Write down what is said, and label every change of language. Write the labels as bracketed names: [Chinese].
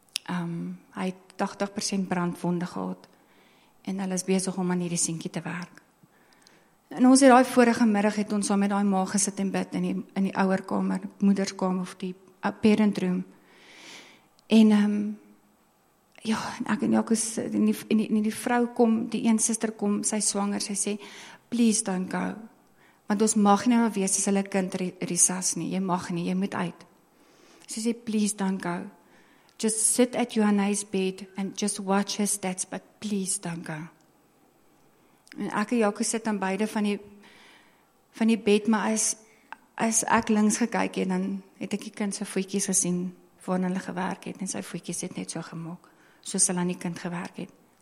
[Afrikaans] hy het 80% brandwonde gehad, en hulle is bezig om aan hierdie seentjie te werk, en ons het die vorige middag, het ons al met die ma gesit en bid, in die ouerkamer, moederskamer, of die parent room, en, ja, en ek en Jacques, en die vrou kom, die een sister kom, sy swanger, sy sê, please don't go, want ons mag nie maar wees as hulle kind resas nie, jy mag nie, jy moet uit. So sê, please don't go. [English] Just sit at Johanna's bed and just watch her stats, but please don't go. [Afrikaans] En ek en Jacques sit aan beide van die bed, maar as ek links gekyk het, dan het ek die kind sy voetjies gesien, waarin hulle gewerk het, en sy voetjies het net so gemaak, soos hulle aan die kind gewerk het.